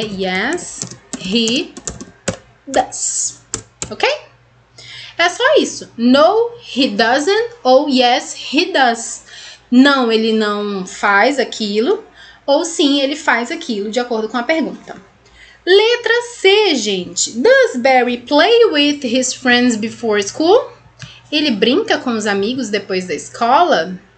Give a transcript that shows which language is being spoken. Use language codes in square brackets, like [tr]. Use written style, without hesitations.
[en] Yes, he does. Ok? [pt] É só isso. [en] No, he doesn't. [pt] Ou [en] yes, he does. [pt] Não, ele não faz aquilo. Ou sim, ele faz aquilo, de acordo com a pergunta. Letra C, gente. [en] Does Barry play with his friends before school? [pt] Ele brinca com os amigos depois da escola?